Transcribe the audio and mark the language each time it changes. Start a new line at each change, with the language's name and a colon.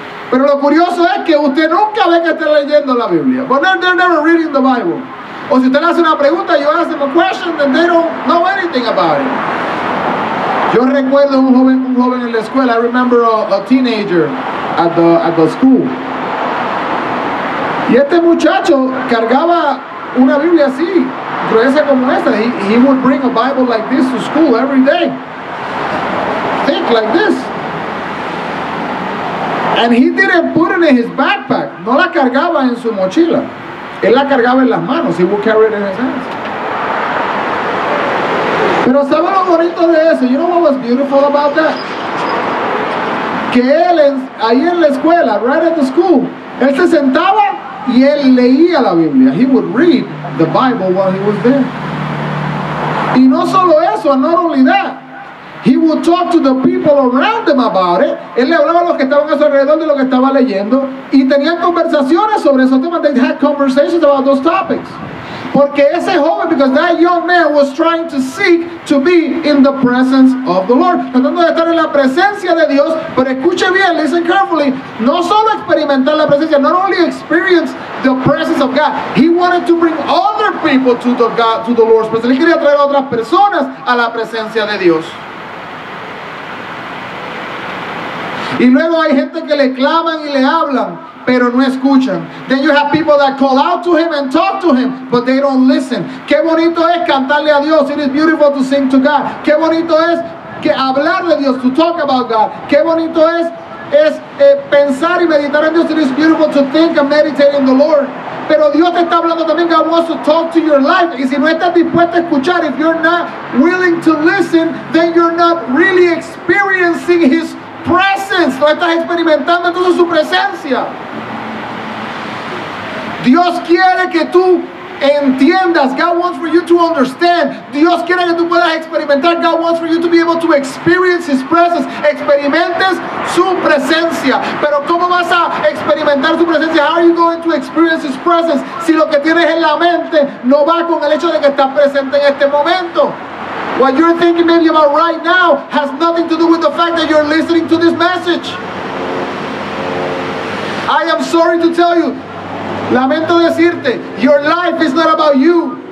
Spanish: Pero lo curioso es que usted nunca ve que esté leyendo la Biblia.
English: But they're never reading the Bible.
Spanish: O si usted le hace una pregunta,
English: you ask them a question, then they don't know anything about it.
Spanish: Yo recuerdo un joven en la escuela.
English: I remember a teenager at the school.
Spanish: Y este muchacho cargaba una Biblia así. Como esta.
English: He would bring a Bible like this to school every day. Think like this. And he didn't put it in his backpack.
Spanish: No la cargaba en su mochila. Él la cargaba en las manos.
English: He would carry it in his hands.
Spanish: Pero ¿sabe lo bonito de eso?
English: You know what was beautiful about that?
Spanish: que él ahí en la escuela,
English: right at the school,
Spanish: él se sentaba y él leía la Biblia.
English: He would read the Bible while he was there.
Spanish: Y no solo eso,
English: and not only that, he would talk to the people around them about it.
Spanish: Él le hablaba a los que estaban a su alrededor de lo que estaba leyendo y tenían conversaciones sobre esos temas.
English: They had conversations about those topics.
Spanish: Porque ese joven,
English: because that young man was trying to seek to be in the presence of the Lord.
Spanish: Tratando de estar en la presencia de Dios, pero escuche bien,
English: listen carefully.
Spanish: No solo experimentar la presencia,
English: not only experience the presence of God. He wanted to bring other people to the God, to the Lord's presence.
Spanish: Él quería traer a otras personas a la presencia de Dios. Y luego hay gente que le claman y le hablan, pero no escuchan.
English: Then you have people that call out to him and talk to him, but they don't listen.
Spanish: Qué bonito es cantarle a Dios.
English: It is beautiful to sing to God.
Spanish: Qué bonito es que hablar de Dios,
English: to talk about God.
Spanish: Qué bonito es pensar y meditar en Dios.
English: It is beautiful to think and meditate in the Lord.
Spanish: Pero Dios te está hablando también.
English: God wants to talk to your life.
Spanish: Y si no estás dispuesto a escuchar,
English: if you're not willing to listen, then you're not really experiencing his presence.
Spanish: No estás experimentando entonces su presencia. Dios quiere que tú entiendas.
English: God wants for you to understand.
Spanish: Dios quiere que tú puedas experimentar.
English: God wants for you to be able to experience his presence.
Spanish: Experimentes su presencia. Pero ¿cómo vas a experimentar su presencia?
English: How are you going to experience his presence?
Spanish: Si lo que tienes en la mente no va con el hecho de que estás presente en este momento.
English: What you're thinking maybe about right now has nothing to do with the fact that you're listening to this message. I am sorry to tell you.
Spanish: Lamento decirte,
English: your life is not about you.